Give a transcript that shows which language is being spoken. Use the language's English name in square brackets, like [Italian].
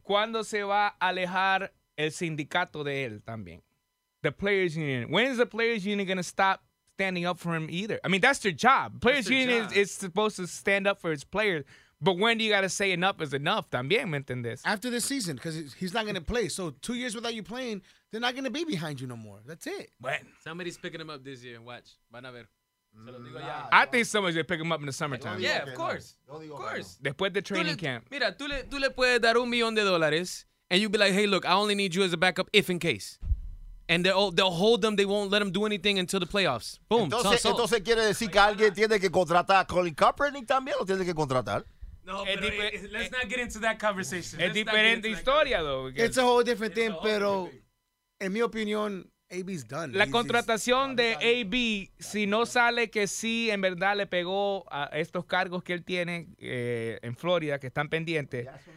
[Spanish] ¿Cuándo se va a alejar el sindicato de él también? [English] The Players Union. When is the Players Union going to stop standing up for him either? I mean, that's their job. Players their Union job. Is supposed to stand up for its players. But when do you got to say enough is enough? [Spanish] También, ¿me entiendes? [English] After this season, because he's not going to play. So 2 years without you playing, they're not going to be behind you no more. That's it. When? Somebody's picking him up this year. Watch. [Spanish] Van a ver. [English] I think somebody's going to pick him up in the summertime. Yeah, of course. Of course. [Spanish] Después de training camp. Mira, tú le puedes dar $1,000,000 [English] and you'll be like, hey, look, I only need you as a backup if in case. And they'll hold them. They won't let them do anything until the playoffs. Boom. [Spanish] Entonces quiere decir que alguien tiene que contratar a Colin Kaepernick también o tiene que contratar. [English] Let's not get into that conversation. [Spanish] Es diferente historia, [English] though. It's a whole different thing, [Spanish] pero en mi opinión, [English] AB's done. [Spanish] La contratación de AB, si no sale que sí, en verdad le pegó a estos cargos que él tiene en Florida, que están pendientes.